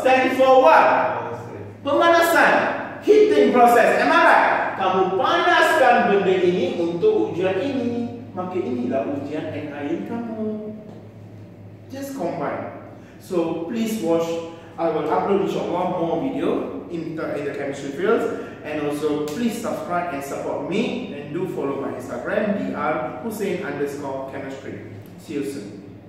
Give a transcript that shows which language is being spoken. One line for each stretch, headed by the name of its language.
English: Stand for what? Pemanasan. Heating process. Am I right?
Malay: kamu panaskan benda ini untuk ujian ini. Maka inilah ujian NIN kamu.
English: Just combine. So please watch. I will upload inshallah more video in the chemistry fields. And also please subscribe and support me. And do follow my Instagram, DR Hussein_chemistry. See you soon.